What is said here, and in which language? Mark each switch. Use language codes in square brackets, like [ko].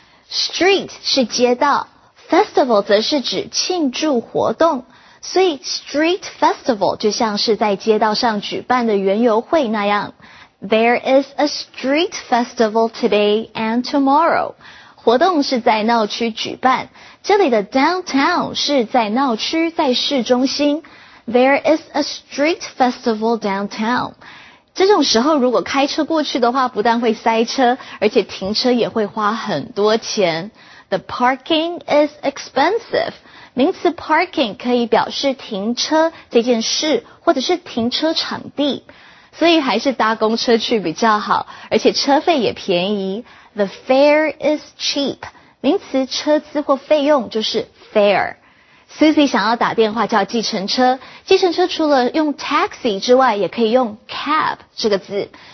[zh] Street 是街道， Festival 则是指庆祝活动，所以 Street Festival 就像是在街道上举办的园游会那样。 [en] There is a street festival today and tomorrow. [zh] 活动是在闹区举办，这里的 downtown 是在闹区，在市中心。 [en] There is a street festival downtown. [zh] 这种时候如果开车过去的话，不但会塞车，而且停车也会花很多钱。 [en] The parking is expensive. [zh] 名词 parking 可以表示停车这件事，或者是停车场地。所以还是搭公车去比较好，而且车费也便宜。 [en] The fare is cheap. [zh] 名词车资或费用就是 fare. Susie 想要打电话叫计程车，计程车除了用 taxi 之外也可以用 cab 这个字。